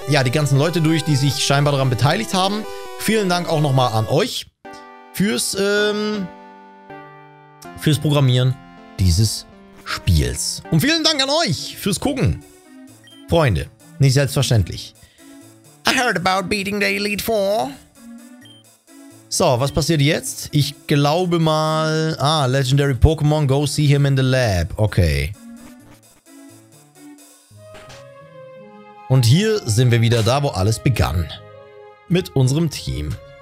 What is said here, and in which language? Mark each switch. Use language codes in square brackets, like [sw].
[de] Ja, die ganzen Leute durch, die sich scheinbar daran beteiligt haben. Vielen Dank auch nochmal an euch fürs Programmieren dieses Spiels. Und vielen Dank an euch fürs Gucken. Freunde, nicht selbstverständlich. [en] I heard about beating the Elite Four. [de] So, was passiert jetzt? Ich glaube mal... [en] Ah, Legendary Pokémon, go see him in the lab. Okay. [de] Und hier sind wir wieder da, wo alles begann. Mit unserem Team.